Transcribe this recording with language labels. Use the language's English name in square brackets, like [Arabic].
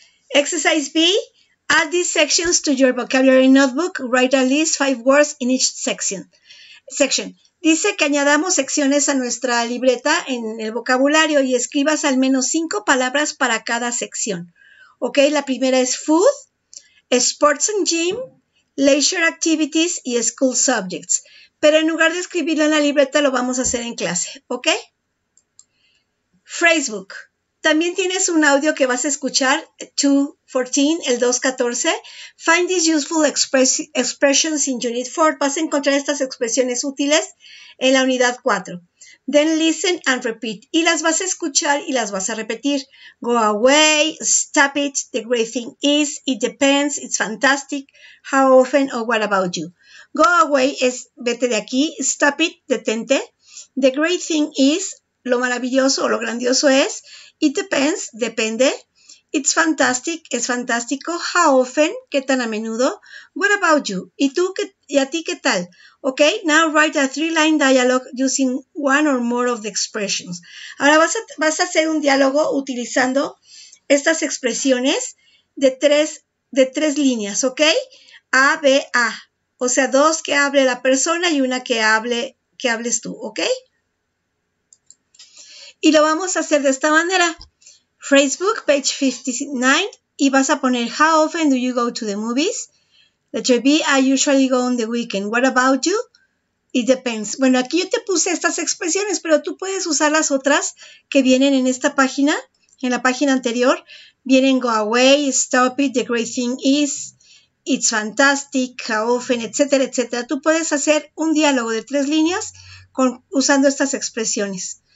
[English] Exercise B, add these sections to your vocabulary notebook. Write at least 5 words in each section. [Spanish] Dice que añadamos secciones a nuestra libreta en el vocabulario y escribas al menos 5 palabras para cada sección. [English] Ok, [Spanish] la primera es [English] food, sports and gym, leisure activities y school subjects. [Spanish] Pero en lugar de escribirlo en la libreta, lo vamos a hacer en clase, ¿ok? Phrasebook. También tienes un audio que vas a escuchar, 2.14, el 2.14. [English] Find these useful expressions in unit 4. [Spanish] Vas a encontrar estas expresiones útiles en la unidad 4. [English] Then listen and repeat. [Spanish] Y las vas a escuchar y las vas a repetir. [English] Go away, stop it, the great thing is, it depends, it's fantastic, how often or what about you. Go away [Spanish] es vete de aquí, [English] stop it, [Spanish] detente. [English] The great thing is, [Spanish] lo maravilloso o lo grandioso es, [English] it depends, [Spanish] depende. [English] It's fantastic, [Spanish] es fantástico. [English] How often, [Spanish] qué tan a menudo. [English] What about you? [Spanish] ¿Y tú qué? ¿Y a ti qué tal? [English] Ok, now write a 3-line dialogue using one or more of the expressions. [Spanish] Ahora vas a hacer un diálogo utilizando estas expresiones de tres líneas, ok? A, B, A. O sea, dos que hable la persona y una que hables tú, ok? Y lo vamos a hacer de esta manera. [English] Facebook, page 59, [Spanish] y vas a poner [English] how often do you go to the movies? Letter B, I usually go on the weekend. What about you? It depends. [Spanish] Bueno, aquí yo te puse estas expresiones, pero tú puedes usar las otras que vienen en esta página, en la página anterior. [English] Vienen go away, stop it, the great thing is, it's fantastic, how often, etcétera, etcétera. [Spanish] Tú puedes hacer un diálogo de tres líneas usando estas expresiones.